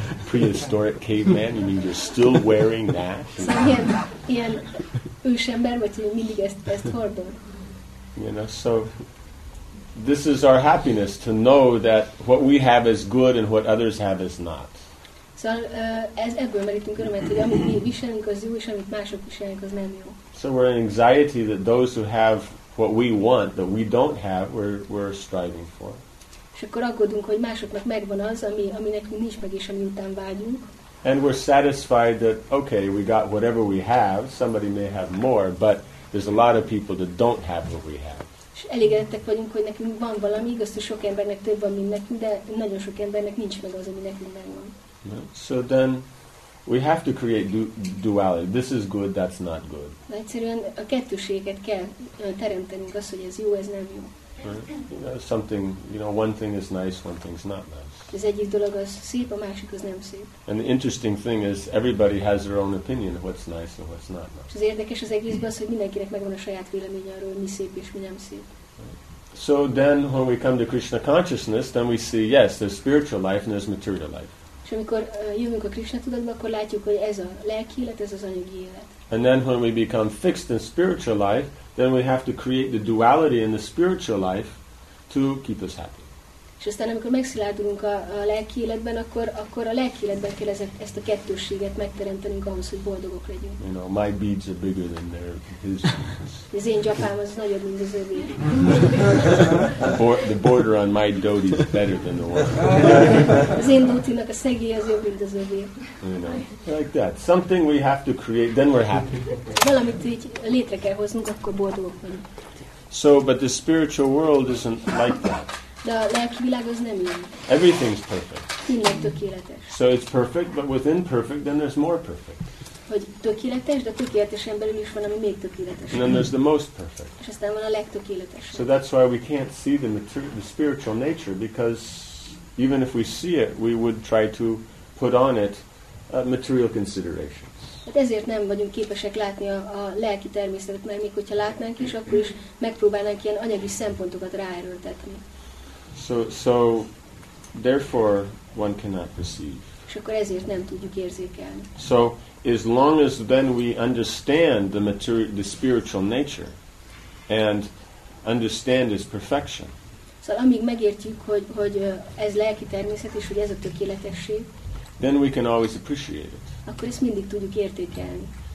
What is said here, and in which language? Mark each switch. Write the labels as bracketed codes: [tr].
[en] Prehistoric caveman, you mean you're still wearing that? [hu] Ilyen ősember, vagy hogy mindig ezt hordod. [en] You know, so this is our happiness, to know that what we have is good and what others have is not. [hu] Szóval ebből merítünk örömet, hogy amit mi viselünk az jó, és amit mások viselünk az nem jó. [en] So we're in anxiety that those who have what we want that we don't have, we're striving for. [hu] És akkor aggódunk, hogy másoknak megvan az, ami nekünk nincs meg, és ami után vágyunk. [en] And we're satisfied that, okay, we got whatever we have, somebody may have more, but there's a lot of people that don't have what we have. [hu] És elégedettek vagyunk, hogy nekünk van valami, igaz, hogy sok embernek több van, mint nekünk, de nagyon sok embernek nincs meg az, ami nekünk megvan. [en] So then, we have to create duality. This is good, that's not good. [hu] De egyszerűen a kettőséget kell teremtenünk, az, hogy ez jó, ez nem jó. [en] Right. You know, something, you know, one thing is nice, one thing's not nice. [hu] Az egyik dolog az szép, a másik az nem szép. [en] And the interesting thing is everybody has their own opinion of what's nice and what's not nice. [hu] Az érdekes az egészben az, hogy mindenkinek megvan a saját véleménye arról, mi szép és mi nem szép. [en] Right. So then when we come to Krishna consciousness, then we see, yes, there's spiritual life and there's material life. [hu] És amikor jövünk a Krishna tudatba, akkor látjuk, hogy ez a lelki élet, ez az anyagi élet. [en] And then when we become fixed in spiritual life, then we have to create the duality in the spiritual life to keep us happy. [hu] És aztán, amikor megszilárdulunk a lelki életben, akkor a lelki életben kell ezt a kettősséget megteremtenünk ahhoz, hogy boldogok legyünk. [en] You know, my beads are bigger than their his. [hu] Az én gyapám az nagyobb, mint az övé. [en] The border on my dhoti is better than the one. [hu] Az én dhotinak a szegély az jobb, mint az övé. [en] You know, like that. Something we have to create, then we're happy. [hu] Valamit így létre kell hoznunk, akkor boldogok vagyunk. [en] So, but the spiritual world isn't like that. [hu] De a lelki világ az nem ilyen. [en] Everything's perfect. [hu] Mindig tökéletes. [en] So it's perfect, but within perfect, then there's more perfect. [hu] Hogy tökéletes, de tökéletesen belül is van, ami még tökéletes. [en] And then there's the most perfect. [hu] És aztán van a legtökéletes. [en] So that's why we can't see the spiritual nature, because even if we see it, we would try to put on it material considerations. [hu] Hát ezért nem vagyunk képesek látni a lelki természetet, mert még hogyha látnánk is, akkor is megpróbálnánk ilyen anyagi szempontokat ráerőltetni. [en] So therefore one cannot perceive. [hu] És akkor ezért nem tudjuk érzékelni. [en] So as long as then we understand the the spiritual nature and understand its perfection. [hu] Szóval amíg megértjük, hogy ez lelki természet és hogy ez a tökéletesség. [en] Then we can always appreciate it. [hu] Akkor ezt mindig tudjuk értékelni.